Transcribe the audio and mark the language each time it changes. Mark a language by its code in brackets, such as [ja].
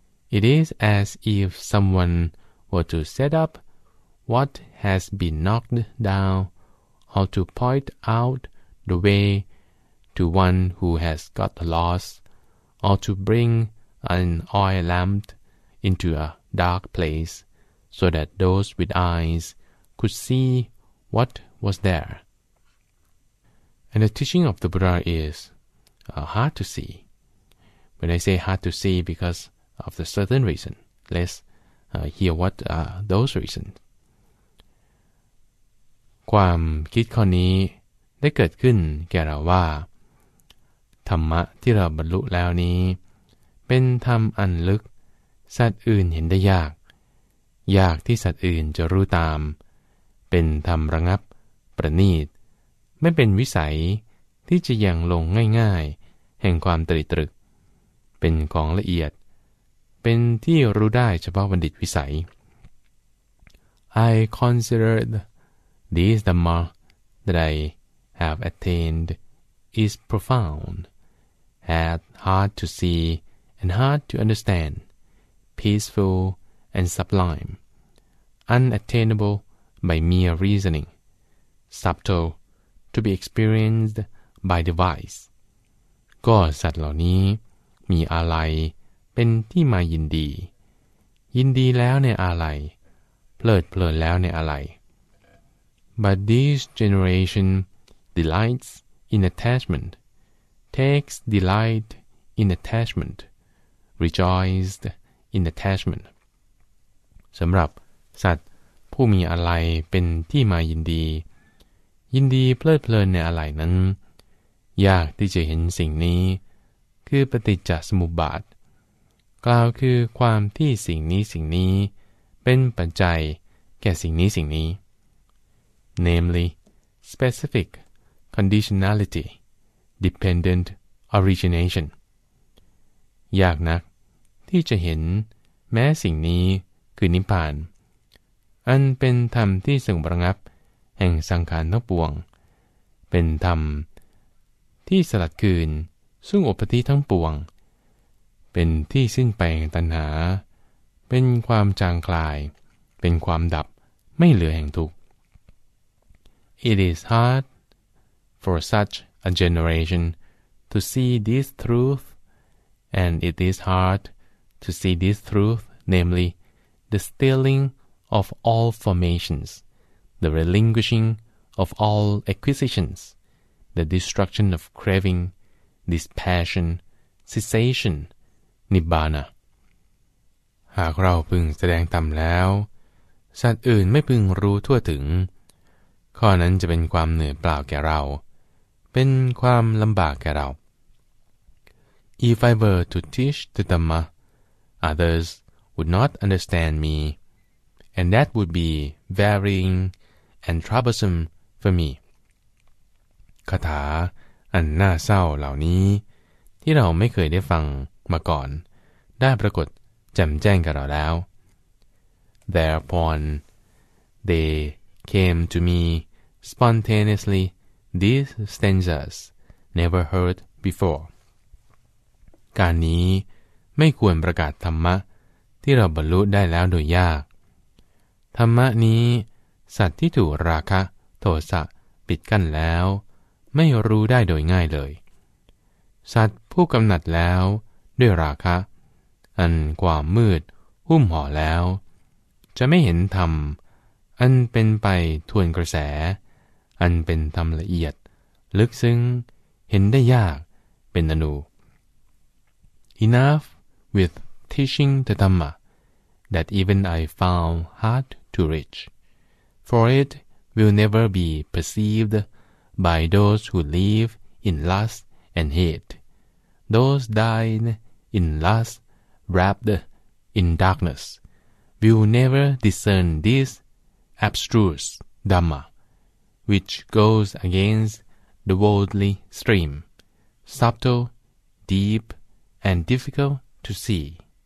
[en] It is as if someone were to set up what has been knocked down or to point out the way to one who has got lost or to bring an oil lamp into a dark place so that those with eyes could see what was there. And the teaching of the Buddha is hard to see. When I say hard to see because of the certain reason, let's hear what are those reasons. [th] ความคิดข้อนี้ได้เกิดขึ้นแก่เราว่าธรรมะที่เราบรรลุแล้วนี้เป็นธรรมอันลึกสัตว์อื่นเห็นได้ยากยากที่สัตว์อื่นจะรู้ตามเป็นธรรมระงับประณีตไม่เป็นวิสัยที่จะยังลงง่ายๆแห่งความตริตรึกเป็นของละเอียดเป็นที่รู้ได้เฉพาะบัณฑิตวิสัย [en] I considered this Dhamma that I have attained is profound, and hard to see and hard to understand, peaceful and sublime, unattainable by mere reasoning, subtle to be experienced by device. [th] ก็สัตว์เหล่านี้มีอะไรเป็นที่มายินดียินดีแล้วในอะไรเพลิดเพลินแล้วในอะไร [en] But this generation delights in attachment, takes delight in attachment, rejoiced in attachment. [th] สำหรับสัตว์ผู้มีอะไรเป็นที่มายินดียินดีเพลิดเพลินในอะไรนั้นยากที่จะเห็นสิ่งนี้คือปฏิจจสมุปบาทกล่าวคือความที่สิ่งนี้สิ่งนี้เป็นปัจจัยแก่สิ่งนี้สิ่งนี้ [en] Namely, specific conditionality, dependent origination. [th] ยากนักที่จะเห็นแม้สิ่งนี้คือนิพพานอันเป็นธรรมที่สงบระงับแห่งสังขารทั้งปวงเป็นธรรมที่สลัดคืนซึ่งอุปาทิทั้งปวงเป็นที่สิ้นไปแห่งตัณหาเป็นความจางคลายเป็นความดับไม่เหลือแห่งทุกข์ [en] It is hard for such a generation to see this truth, and it is hard to see this truth, namely, the stealing of all formations, the relinquishing of all acquisitions, the destruction of craving, dispassion, cessation, nibbana. [th] หากเราพึงแสดงธรรมแล้วสัตว์อื่นไม่พึงรู้ทั่วถึงข้อนั้นจะเป็นความเหนื่อยเปล่าแก่เราเป็นความลำบากแก่เรา [en] If I were to teach the Dhamma, others would not understand me, and that would be varying and troublesome for me. [th] คาถาอันน่าเศร้าเหล่านี้ที่เราไม่เคยได้ฟังมาก่อนได้ปรากฏแจ่มแจ้งแก่เราแล้ว [en] Thereupon, theycame to me spontaneously these stanzas never heard before [th] การนี้ไม่ควรประกาศธรรมะที่เราบรรลุได้แล้วโดยยากธรรมะนี้สัตว์ที่ถูกราคะโทสะปิดกั้นแล้วไม่รู้ได้โดยง่ายเลยสัตว์ผู้กำหนัดแล้วด้วยราคะอันความมืดหุ้มห่อแล้วจะไม่เห็นธรรมอันเป็นไปทวนกระแสอันเป็นธรรมละเอียดลึกซึ้งเห็นได้ยากเป็นอนู [en] Enough with teaching the Dhamma. that even I found hard to reach, for it will never be perceived by those who live in lust and hate, those dying in lust wrapped in darkness, will never discern this abstruse Dhamma, which goes against the worldly stream, subtle, deep, and difficult to see.